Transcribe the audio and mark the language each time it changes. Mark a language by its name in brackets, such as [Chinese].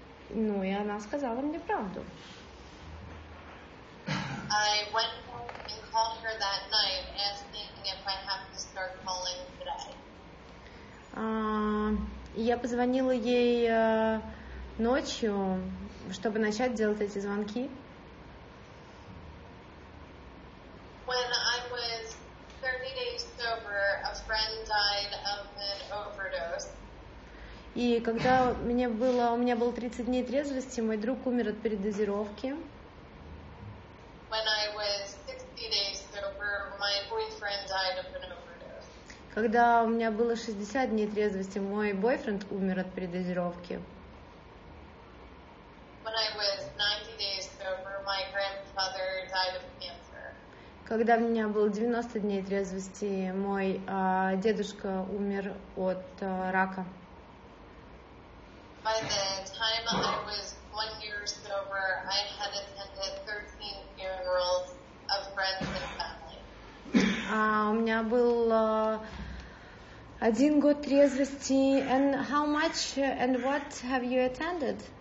[Russian] Ну, и она сказала мне правду. [English] I went home and called her that night, asking if I have to start calling today. [Russian] Я позвонила ей ночью, чтобы начать делать эти звонки. [English] When I was 30 days sober, a friend died of an overdose. [Russian] И когда у меня было 30 дней трезвости, мой друг умер от передозировки. [English] When I was 60 days sober, my boyfriend died of an overdose. [Russian] Когда у меня было 60 дней трезвости, мой бойфренд умер от передозировки. [English] When I was 90 days sober, my grandfather died of cancer. [Russian] Когда у меня было 90 дней трезвости, мой дедушка умер от рака. [English] By the time I was 1 year sober, I had attended 13 funerals of friends and family. [Russian] У меня был один год трезвости. [English] And how much and what have you attended?